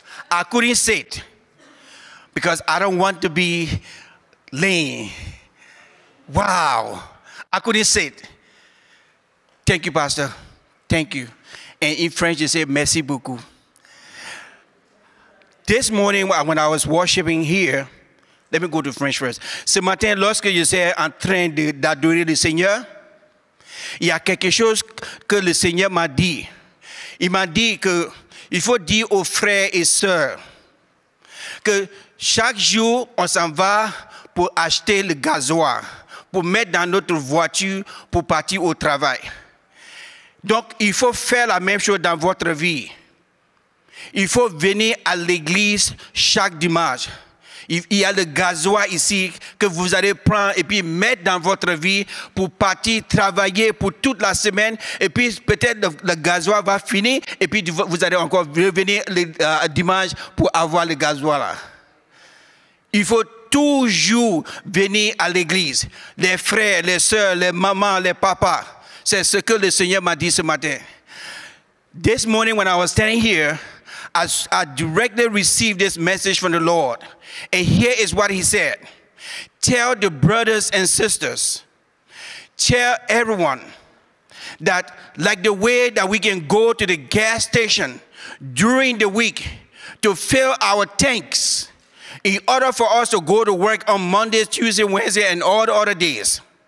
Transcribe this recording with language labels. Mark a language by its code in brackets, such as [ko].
[en] I couldn't sit because I don't want to be lame. Wow, I couldn't sit. Thank you, Pastor. Thank you. And in French, you say [fr] merci beaucoup. [en] This morning, when I was worshiping here, let me go to French first. [fr] Ce matin, lorsque je suis en train d'adorer le Seigneur, il y a quelque chose que le Seigneur m'a dit. Il m'a dit que il faut dire aux frères et sœurs que chaque jour, on s'en va pour acheter le gasoil, pour mettre dans notre voiture pour partir au travail. Donc, il faut faire la même chose dans votre vie. Il faut venir à l'église chaque dimanche. Il y a le gasoil ici que vous allez prendre et puis mettre dans votre vie pour partir travailler pour toute la semaine. Et puis peut-être le gasoil va finir et puis vous allez encore revenir le dimanche pour avoir le gasoil là. Il faut toujours venir à l'église. Les frères, les sœurs, les mamans, les papas. C'est ce que le Seigneur m'a dit ce matin. [en] This morning when I was standing here, I directly received this message from the Lord. And here is what he said. Tell the brothers and sisters, tell everyone that like the way that we can go to the gas station during the week to fill our tanks in order for us to go to work on Monday, Tuesday, Wednesday, and all the other days.